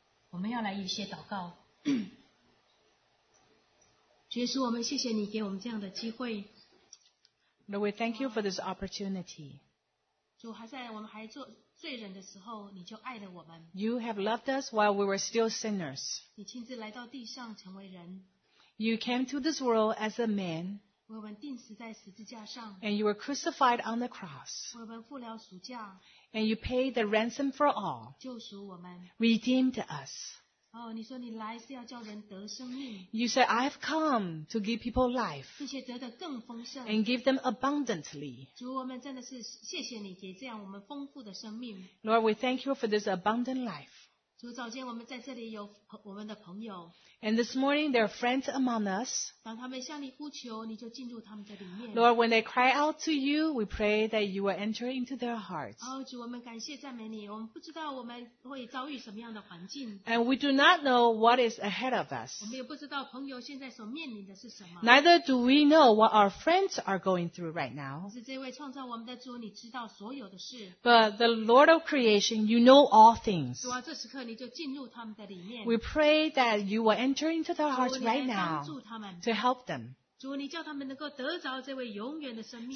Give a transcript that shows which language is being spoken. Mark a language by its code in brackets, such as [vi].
[zh] 我们要来一些祷告。主耶稣，我们谢谢你给我们这样的机会。 [en] Lord, we thank you for this opportunity. [zh] 主还在我们还做罪人的时候，你就爱了我们。 [en] You have loved us while we were still sinners. [zh] 你亲自来到地上成为人。 [en] You came to this world as a man. [zh] 为我们钉死在十字架上。 [en] And you were crucified on the cross. [zh] 为我们付了赎价。 [en] And you paid the ransom for all. [zh] 救赎我们。 [en] Redeemed us. [zh] 哦，你说你来是要叫人得生命。 [en] You said, I have come to give people life. [zh] 并且得的更丰盛。 [en] And give them abundantly. [zh] 主，我们真的是谢谢你给这样我们丰富的生命。 [en] Lord, we thank you for this abundant life. [zh] 主，早间我们在这里有我们的朋友。 [en] And this morning, there are friends among us. [zh] 当他们向你呼求，你就进入他们的里面。 [en] Lord, when they cry out to you, we pray that you will enter into their hearts. [zh] 哦，主，我们感谢赞美你。我们不知道我们会遭遇什么样的环境。 [en] And we do not know what is ahead of us. [zh] 我们也不知道朋友现在所面临的是什么。 [en] Neither do we know what our friends are going through right now. [zh] 是这位创造我们的主，你知道所有的事。 [en] But the Lord of creation, you know all things. [zh] 主啊，这时刻你就进入他们的里面。 [en] We pray that you will enter. Enter into their hearts right now to help them. [zh] 主，你叫他们能够得着这位永远的生命。